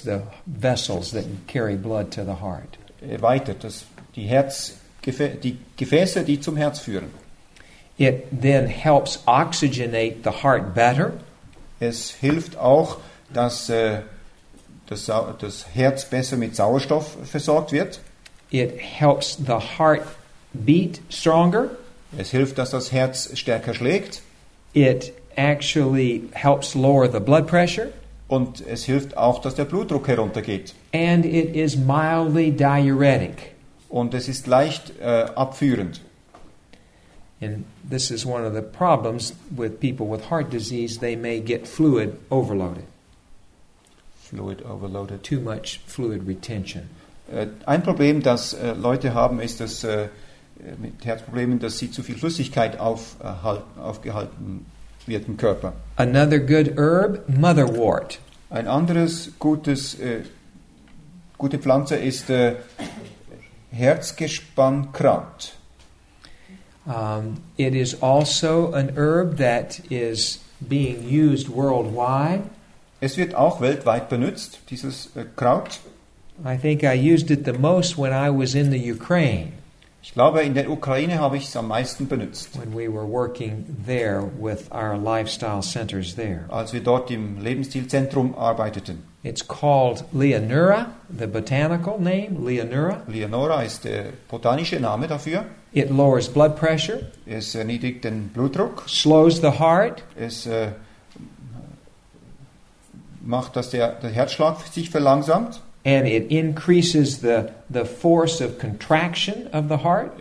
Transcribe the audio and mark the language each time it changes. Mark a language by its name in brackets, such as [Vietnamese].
[English] the vessels that carry blood to the heart. [German] Erweitert das die Gefäße, die zum Herz führen. [English] It then helps oxygenate the heart better. [German] Es hilft auch, dass das Herz besser mit Sauerstoff versorgt wird. [English] It helps the heart beat stronger. [German] Es hilft, dass das Herz stärker schlägt. [English] It actually helps lower the blood pressure. [German] Und es hilft auch, dass der Blutdruck heruntergeht. [English] And it is mildly diuretic. [German] Und es ist leicht abführend. [English] And this is one of the problems with people with heart disease. They may get fluid overloaded. Fluid overloaded. Too much fluid retention. [German] Ein Problem, das Leute haben, ist, dass mit Herzproblemen, dass sie zu viel Flüssigkeit aufgehalten wird im Körper. [English] Another good herb, motherwort. [German] Ein anderes gute Pflanze ist Herzgespannkraut. [English] It is also an herb that is being used worldwide. [German] Es wird auch weltweit benutzt, dieses Kraut. [English] I think I used it the most when I was in the Ukraine. [German] Ich glaube, in der Ukraine habe ich es am meisten benutzt. [English] When we were working there with our lifestyle centers there. [German] Als wir dort im Lebensstilzentrum arbeiteten. [English] It's called Leonora, the botanical name, Leonora. [German] Leonora ist der botanische Name dafür. [English] It lowers blood pressure. [German] Es erniedrigt den Blutdruck. [English] Slows the heart. [German] Es macht, dass der Herzschlag sich verlangsamt. [English] And it increases the force of contraction of the heart.